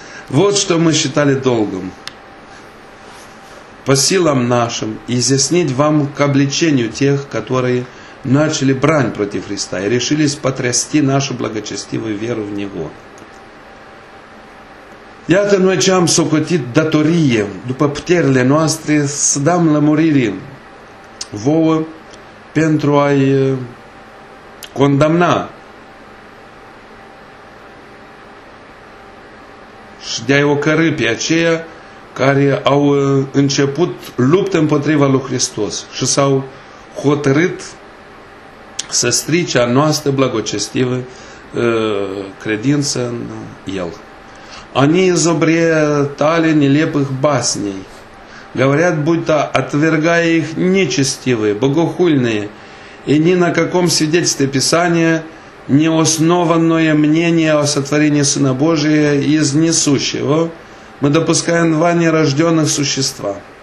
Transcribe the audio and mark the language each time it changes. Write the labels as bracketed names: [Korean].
[Russian] Вот что мы считали долгом. По силам нашим изъяснить вам к обличению тех, которые начали брань против Христа и решились потрясти нашу благочестивую веру в Него. [Romanian] Iată noi ce am socotit datorie după puterile noastre să dăm lămuriri vouă pentru a-i condamna și de a-i ocărâ pe aceia care au început luptă împotriva lui Hristos și s-au hotărât să strice a noastră blagocestivă credință în El. [Russian] Они изобретали нелепых басней, говорят, будто отвергая их нечестивые, богохульные, и ни на каком свидетельстве Писания не основанное мнение о сотворении Сына Божия из несущего, мы допускаем два нерожденных существа.